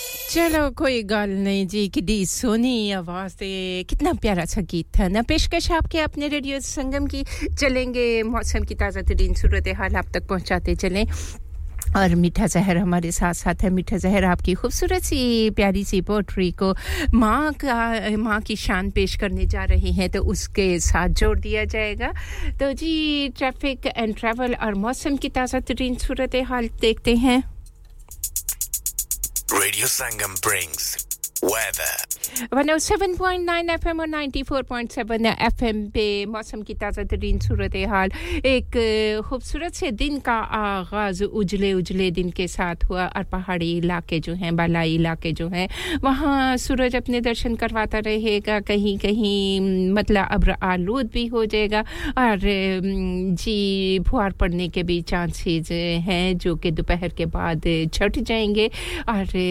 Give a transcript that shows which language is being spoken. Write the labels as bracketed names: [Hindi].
[Hindi] चलो [Punjabi] कोई गल नहीं जी किदी सोनी आवाज [Hindi] थे कितना प्यारा सा गीत था ना पेशकश आपके अपने रेडियो संगम की चलेंगे मौसम की ताजा तरीन सूरत हाल आप तक पहुंचाते चलें और मीठा जहर हमारे साथ साथ है मीठा जहर आपकी खूबसूरत सी प्यारी सी पोएट्री को माँ की शान पेश करने जा रही हैं तो उसके साथ जोड़ दिया जाएगा तो जी ट्रैफिक एंड ट्रैवल और मौसम की ताज़ा तरीन सूरत हाल देखते हैं [English] Radio Sangam brings weather. [Hindi] 107.9 FM और 94.7 FM पे मौसम की ताज़ा तरीन सूरत हाल एक खूबसूरत से दिन का आगाज उजले उजले दिन के साथ हुआ और पहाड़ी इलाके जो हैं बालाई इलाके जो हैं वहाँ सूरज अपने दर्शन करवाता रहेगा कहीं कहीं मतलब अब्र आलूद भी हो जाएगा और जी फुहार पड़ने के भी चांसेज हैं जो कि दोपहर के बाद छट जाएंगे और